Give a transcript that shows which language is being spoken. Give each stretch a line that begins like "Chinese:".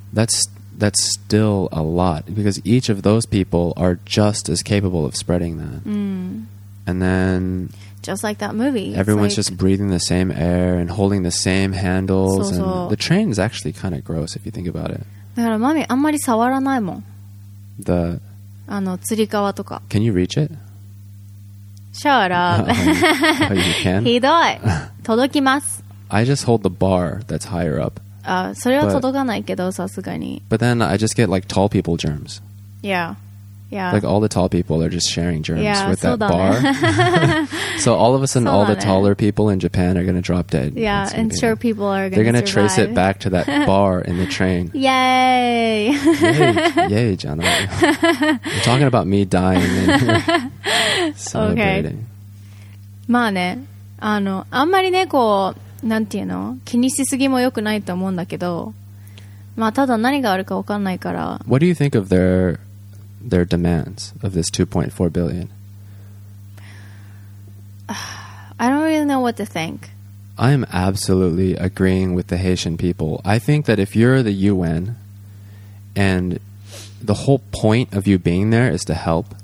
English: That's still a lot, because each of those people are just as capable of spreading that. And then just like that movie, everyone's just breathing the same air and holding the same handles. And the train is actually kind of gross if you think about it.
Japanese: だからマミあんまり触らないもん。
English: The
Japanese: あの釣り革とか。
English: Can you reach it? Shut up. Oh, you can?
Japanese: ひどい。届きます。
English: I just hold the bar that's higher up.
Japanese: あ、それは届かないけど、さすがに。
English: But then I just get like tall people germs. Yeah. Yeah. Like all the tall people are just sharing germs with that bar. Yeah, so all of a sudden, all the taller people in Japan are going to drop dead. Yeah, and sure, people are going to They're going to trace it back to that bar in the train. Yay! Yay, Jana. We're talking about me dying and celebrating.
Japanese: まあね、あんまりね、こう、なんていうの、気にしすぎもよくないと思うんだけど、まあただ何があるかわかんないから。
English: What do you think of their demands of this $2.4 billion? I don't really know what to think. I am absolutely agreeing with the Haitian people. I think that if you're the UN and the whole point of you being there is to help.